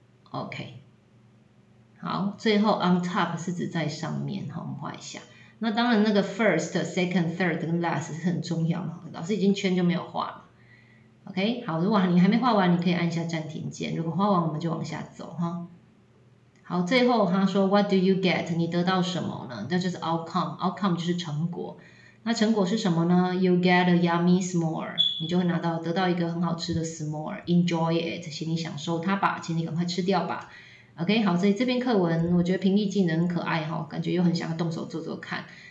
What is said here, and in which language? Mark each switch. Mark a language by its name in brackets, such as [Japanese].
[Chinese] OK， 好，最后 on top 是指在上面，好，我们画一下。那当然，那个 first、second、third 跟 last 是很重要的，老师已经圈就没有画了。 OK， 好，如果你还没画完，你可以按下暂停键。如果画完，我们就往下走哈。好，最后他说 ， [English] What do you get？ [Chinese] 你得到什么呢？那就是 outcome， outcome 就是成果。那成果是什么呢 ？ [English] You get a yummy s'more， [Chinese] 你就会拿到得到一个很好吃的 s'more。 [English] Enjoy it， [Chinese] 请你享受它吧，请你赶快吃掉吧。 OK， 好，所以这篇课文我觉得平易近人，很可爱哈，感觉又很想要动手做做看。